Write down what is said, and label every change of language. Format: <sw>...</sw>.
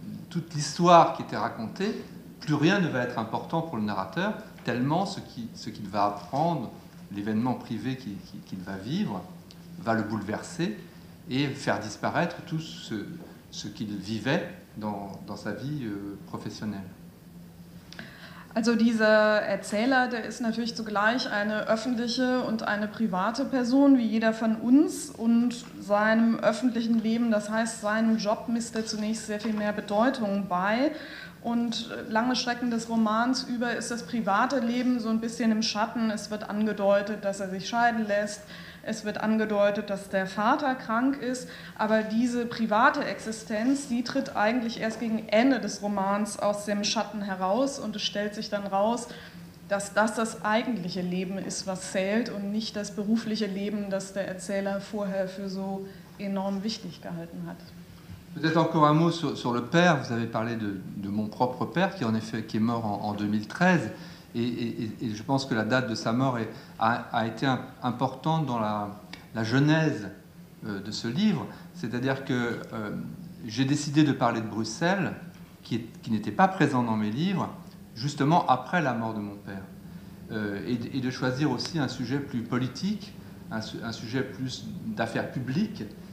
<fr>Toute l'histoire qui était racontée, plus rien ne va être important pour le narrateur, tellement ce qu'il va apprendre, l'événement privé qu'il va vivre, va le bouleverser et faire disparaître tout ce qu'il vivait dans sa vie professionnelle.</fr> <de>Also dieser Erzähler, der ist natürlich zugleich eine öffentliche und eine private Person, wie jeder von uns. Und seinem öffentlichen Leben, das heißt seinem Job, misst er zunächst sehr viel mehr Bedeutung bei. Und lange Strecken des Romans über ist das private Leben so ein bisschen im Schatten. Es wird angedeutet, dass er sich scheiden lässt. Es wird angedeutet, dass der Vater krank ist. Aber diese private Existenz, die tritt eigentlich erst gegen Ende des Romans aus dem Schatten heraus. Und es stellt sich dann raus, dass das das eigentliche Leben ist, was zählt, und nicht das berufliche Leben, das der Erzähler vorher für so enorm wichtig gehalten hat.</de> <fr>Peut-être encore un mot sur le père. Vous avez parlé de mon propre père, qui en effet qui est mort en 2013, et je pense que la date de sa mort a été importante dans la genèse de ce livre. C'est-à-dire que j'ai décidé de parler de Bruxelles, qui n'était pas présent dans mes livres, justement après la mort de mon père, et de choisir aussi un sujet plus politique, un sujet plus d'affaires publiques.</fr>